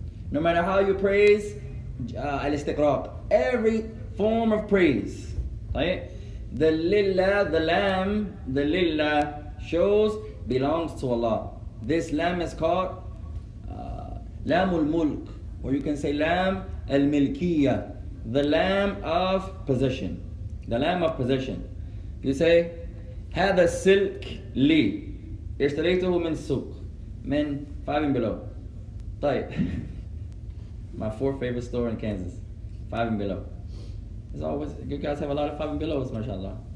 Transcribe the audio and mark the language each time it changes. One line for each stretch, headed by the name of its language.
English: No matter how you praise, al-istiqraq, every form of praise. Right? The lillah, the lamb, the lillah shows belongs to Allah. This lamb is called lamul mulk, or you can say lamb al-milkiyya, the lamb of possession. The lamb of possession.
Arabic: You say, هذا السلك لي اشتريته من السوق من 5 and below.
English: طيب my fourth favorite store in Kansas, 5 and below. It's always, you guys have a lot of 5 and belows, mashallah.